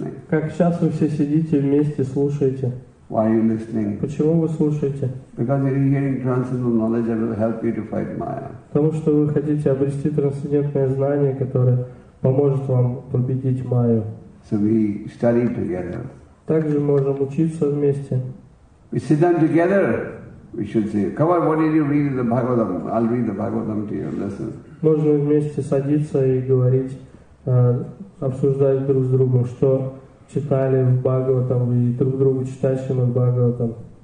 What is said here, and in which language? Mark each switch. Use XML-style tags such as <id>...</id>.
<ru>Как сейчас вы все сидите вместе, слушаете.</ru> <en>Why are you listening?</en> <ru>Почему вы слушаете?</ru> <en>Because you're hearing transcendental knowledge that will help you to fight Maya.</en> <ru>Потому что вы хотите обрести трансцендентное знание, которое поможет вам победить Майю.</ru> <en>So we study together.</en> <ru>Также можем учиться вместе.</ru> <en>We sit down together. We should say, come on, what did you read in the Bhagavatam? I'll read the Bhagavatam to you, listen.</en> <ru>Можно вместе садиться и говорить, обсуждать друг с другом, что читали в Бхагаватам, и друг другу читающим в Бхагаватам.</ru>